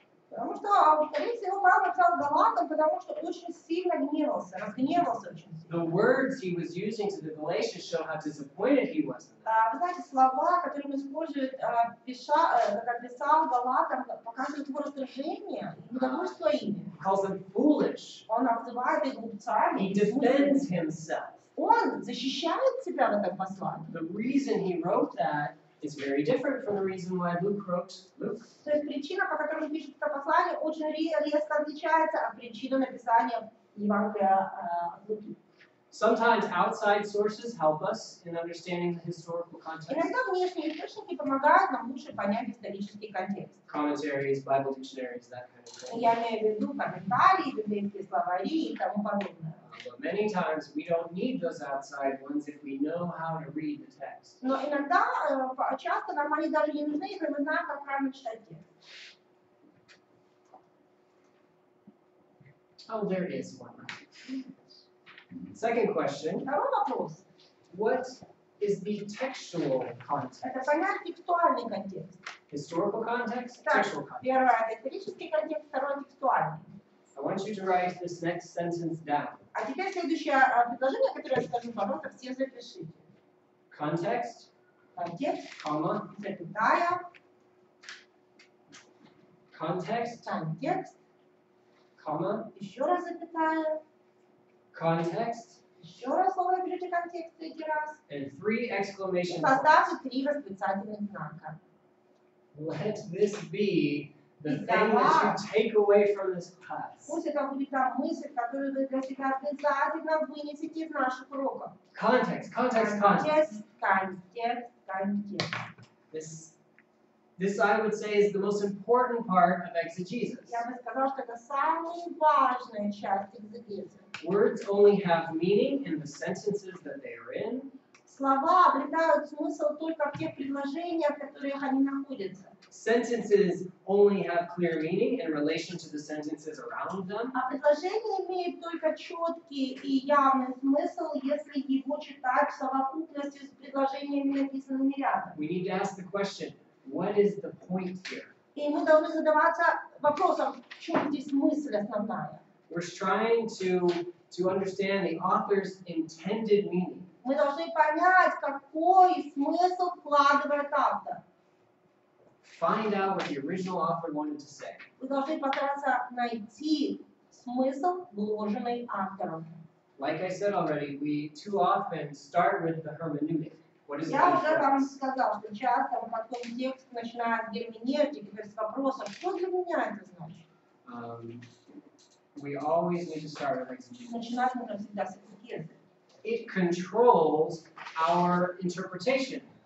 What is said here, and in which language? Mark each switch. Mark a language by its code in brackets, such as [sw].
[ru] Потому что, скорее всего, Павел писал Галатам, потому что очень сильно гневался, разгневался очень сильно. [en] The words he was using to the Galatians show how disappointed he was. [ru] Вы знаете, слова, которые он использует, писал Галатам, показывают его раздражение, недовольство ими. [en] He calls them foolish. [ru] Он обзывает их глупцами. [en] He defends himself. [ru] Он защищает себя в этом послании. [en] The reason he wrote that is very different from the reason why Luke wrote Luke. [ru] То есть причина, по которой он пишет это послание, очень резко отличается от причины написания Евангелия Луки. [en] Sometimes outside sources help us in understanding the historical context. [ru] Иногда внешние источники помогают нам лучше понять исторический контекст. [en] Commentaries, Bible dictionaries, that kind of thing. [ru] Я имею в виду комментарии, библейские словари и тому подобное. [en] But many times we don't need those outside ones if we know how to read the text. [ru] Но иногда часто нам они даже не нужны, если мы знаем, как правильно читать текст. [en] Oh, there is one. Second question. [ru] Второй вопрос. [en] What is the textual context? [ru] Это понять текстуальный контекст. [en] Historical context, [ru] так, [en] textual context. [ru] Первое это исторический контекст, второй текстуальный. [en] I want you to write this next sentence down. [ru] А теперь следующее предложение, которое я скажу, пожалуйста, все запишите. [en] Context. [ru] Контекст. [en] Comma. [ru] Запятая. [en] Context. [ru] Контекст. [en] Comma. [ru] Еще раз запятая. [en] Context. [ru] Еще раз слово берете контекст третий раз. [en] And three exclamation points. [ru] Поставьте три восклицательных знака. [en] Let this be the thing that you take away from this class. [ru] Пусть это будет та мысль, которую вы для себя обязательно вынесете из наших уроков. [en] Context, context, context. [ru] Контекст, контекст. [en] This, I would say, is the most important part of exegesis. [ru] Я бы сказала, что это самая важная часть экзегеза. [en] Words only have meaning in the sentences that they are in. [ru] Слова обретают смысл только в тех предложениях, в которых они находятся. [en] Sentences only have clear meaning in relation to the sentences around them. [ru] А предложение имеет только четкий и явный смысл, если его читать в совокупности с предложениями, написанными рядом. [en] We need to ask the question, what is the point here? [ru] И мы должны задаваться вопросом, в чем здесь мысль основная? [en] We're trying to understand the author's intended meaning. [ru] Мы должны понять, какой смысл вкладывает автор. [en] find out what the original author wanted to say. [ru] Вы должны постараться найти смысл, вложенный автором. [en] Like I said already, we too often start with the hermeneutic. What is [ru] Я уже вам сказал, что часто в таком тексте начинают герменевтики, то есть вопрос, а что для меня это значит? [en] We always need to start with exegesis. [ru] Начинать нужно всегда с экзегезы. [en] It controls our interpretation.